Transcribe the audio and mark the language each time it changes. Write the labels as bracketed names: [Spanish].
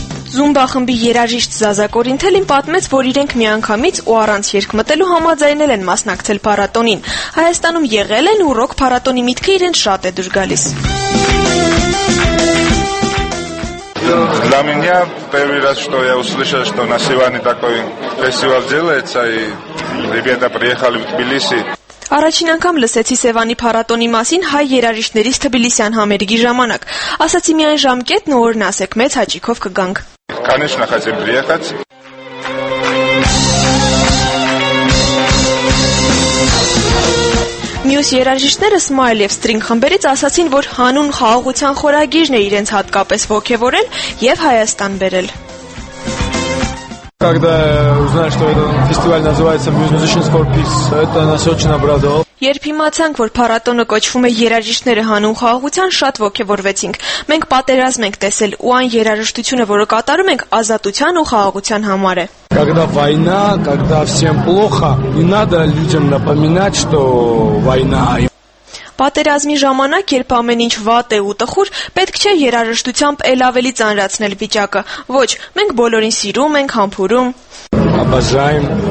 [Armenian] Զումբա խմբի երաժիշտ Զազա Կորինթելին պատմեց, որ իրենք միանգամից ու առանց երկմտելու համաձայնել են մասնակցել փառատոնին։ Հայաստանում եղել են ու ռոք փառատոնի միտքը իրեն շատ է դուր գալիս։ [Russian] Для меня первый раз, что я услышал, что на Севане такой фестиваль делается, и ребята приехали в Тбилиси. [Armenian] Առաջին անգամ լսեցի Սևանի փառատոնի մասին հայ երաժիշտներից Թբիլիսյան համերգի ժամանակ։ Ասացի միայն ժամկետն ու օրն ասեք, մեծ հաճիքով կգանք։ [Russian] Конечно, хотим приехать. [Armenian] Մյուս երաժիշտները Smile եւ String խմբերից ասացին, որ հանուն խաղաղության խորագիրն է իրենց հատկապես ոգևորել եւ Հայաստան բերել։ [Russian] Когда узнаешь, что этот фестиваль называется Musician's for Peace, это нас очень обрадовало. [Armenian] Երբ իմացանք, որ փառատոնը կոչվում է երաժիշտների հանուն խաղաղության, շատ ոգևորվեցինք։ Մենք պատերազմ ենք տեսել ու այն երաժշտությունը, որը կատարում ենք, ազատության ու խաղաղության համար է։ [Russian] Когда война, когда всем плохо, не надо людям напоминать, что война. [Armenian] Պատերազմի ժամանակ, երբ ամեն ինչ վատ է ու տխուր, պետք չէ երաժշտությամբ էլ ավելի ծանրացնել վիճակը։ Ոչ, մենք բոլորին սիրում ենք, համբուրում։ [Russian] Աբաժայմ։